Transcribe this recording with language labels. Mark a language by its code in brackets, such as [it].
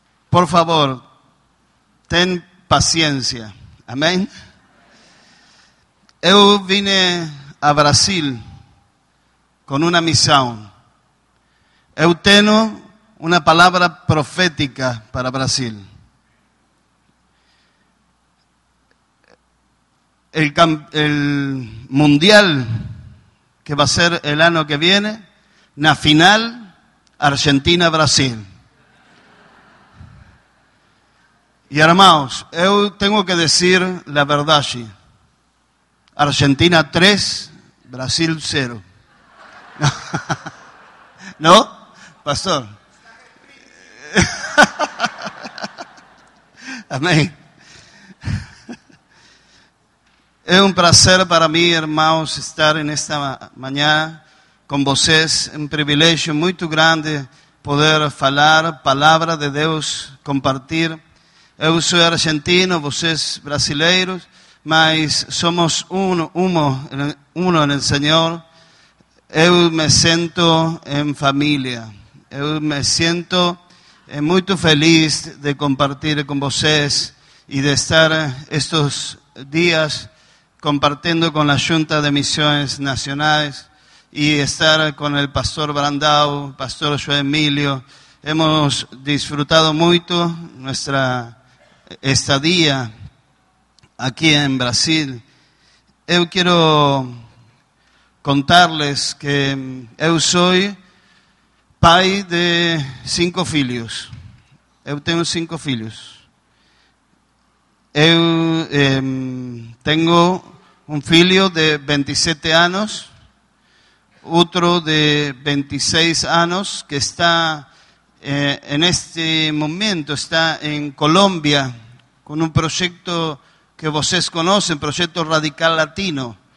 [pt] Por favor, ten paciência, amém? Eu vim a Brasil com uma missão. Eu tenho uma palavra profética para Brasil. [es] el mundial que va a ser el año que viene, [pt] na final [es] Argentina-Brasil. Y hermanos, eu tengo que decir la verdad. Argentina 3, Brasil 0. ¿No? Pastor. Amén. Es un placer para mí, hermanos, estar en esta mañana con vocês. Un privilegio muy grande poder hablar palabra de Dios, compartir. [pt] Eu sou argentino, vocês brasileiros, mas somos [es] uno en el Señor. Eu me siento en familia. Eu me siento muy feliz de compartir con vocês y de estar estos días compartiendo con la Junta de Misiones Nacionales y estar con el Pastor Brandão, Pastor João Emílio. Hemos disfrutado mucho nuestra estadía aquí en Brasil. Eu quiero contarles que eu soy [pt] pai de 5 filhos. [es] Eu tengo 5 filhos. Eu tengo un filho de 27 años, otro de 26 años que está en este momento está en Colombia con un proyecto que ustedes conocen, Proyecto Radical Latino.